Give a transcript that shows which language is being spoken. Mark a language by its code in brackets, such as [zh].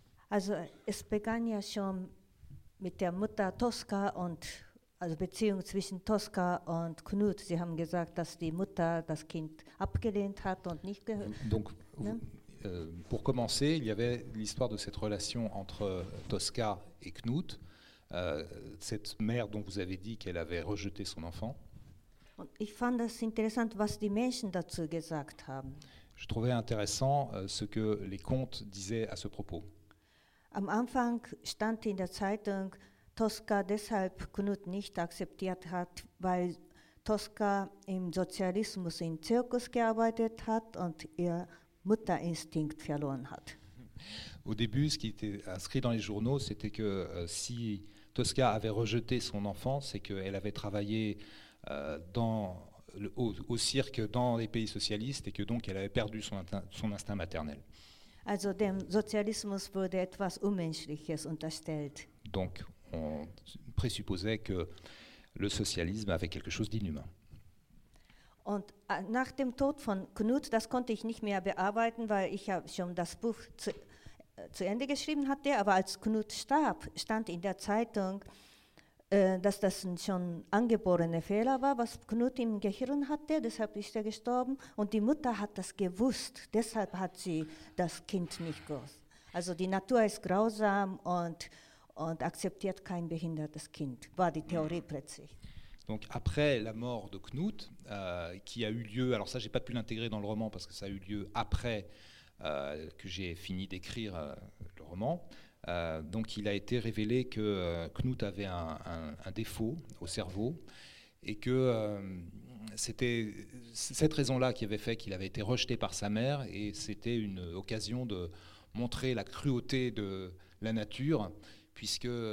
[de] Also es begann ja schon mit der Mutter Tosca und also Beziehung zwischen Tosca und Knut. Sie haben gesagt, dass die Mutter das Kind abgelehnt hat und nicht gehört. [fr] Donc, pour commencer, il y avait l'histoire de cette relation entre Tosca et Knut, cette mère dont vous avez dit qu'elle avait rejeté son enfant. [de] Und ich fand das interessant, was die Menschen dazu gesagt haben. [fr] Je trouvais intéressant ce que les contes disaient à ce propos. [de] Am Anfang stand in der Zeitung, Tosca deshalb Knut nicht akzeptiert hat, weil Tosca im Sozialismus in Zirkus gearbeitet hat und ihr Mutterinstinkt verloren hat. [fr] Au début, ce qui était inscrit dans les journaux, c'était que si Tosca avait rejeté son enfant, c'est qu'elle avait travaillé au cirque dans les pays socialistes et que donc elle avait perdu son instinct maternel. [de] Also dem Sozialismus wurde etwas Unmenschliches unterstellt. [fr] Donc, on présupposait que le socialisme avait quelque chose d'inhumain. [de] Und nach dem Tod von Knut, das konnte ich nicht mehr bearbeiten, weil ich ja schon das Buch zu Ende geschrieben hatte, aber als Knut starb, stand in der Zeitung, dass das ein schon angeborener Fehler war, was Knut im Gehirn hatte, deshalb ist er gestorben. Und die Mutter hat das gewusst, deshalb hat sie das Kind nicht gewusst. Also die Natur ist grausam und akzeptiert kein behindertes Kind, war die Theorie plötzlich. [fr] Donc après la mort de Knut, qui a eu lieu, alors ça j'ai pas pu l'intégrer dans le roman parce que ça a eu lieu après que j'ai fini d'écrire le roman, donc il a été révélé que Knut avait un défaut au cerveau et que c'était cette raison-là qui avait fait qu'il avait été rejeté par sa mère et c'était une occasion de montrer la cruauté de la nature puisque